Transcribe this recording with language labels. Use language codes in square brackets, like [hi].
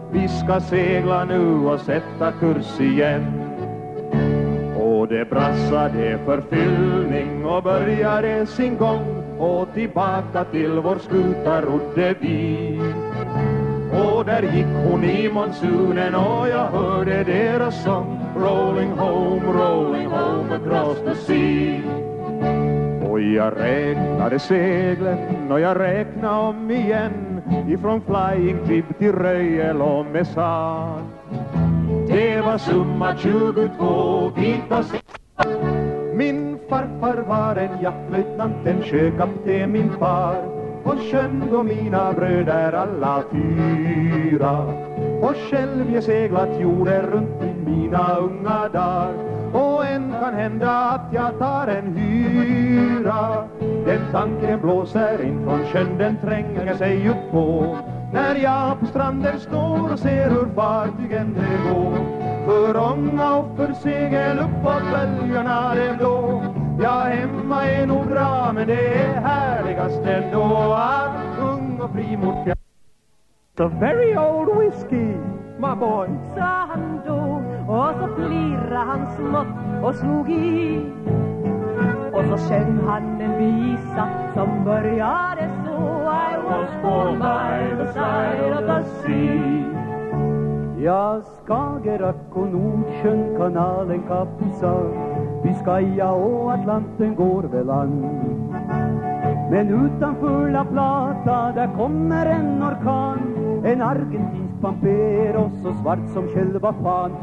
[sv] Vi ska segla nu och sätta kurs igen. Och det brassade förfyllning och började sin gång. Och tillbaka till vår skuta rodde vi. Och där gick hon i monsunen och jag hörde deras sång. [en] Rolling home across the sea. [sv] Och jag räknade seglen och jag räknade om igen. Ifrån flying jib till röjel och mesan. Det var summa 22 vita seglar. Min farfar var en jaktlöjtnant, en sjökapten min far. På sjön går mina bröder alla fyra. Och själv jag seglat jorden runt i mina unga dagar. Och än kan hända att jag tar en hyra. Den tanken blåser in från sjön, den tränger sig upp på. när jag på stranden står och ser hur fartygen det går. För ånga och för segel uppåt böljorna det blå. Ja, hemma är nog bra, men det är härligast ändå att ung och fri mot fjärn. [en] The very old whiskey, my boy, [sv] sa han då, och så flirrade han smått och slog i. Och så kände han en visa som började så. [en] I was born by the side of the sea. [sv] Ja, Skagerrak och Nordsjön, kanalen Kapusar, Biscaya och Atlanten går väl an. Men utanför La Plata, där kommer en orkan, en argentinsk pampero, så svart som själva fan.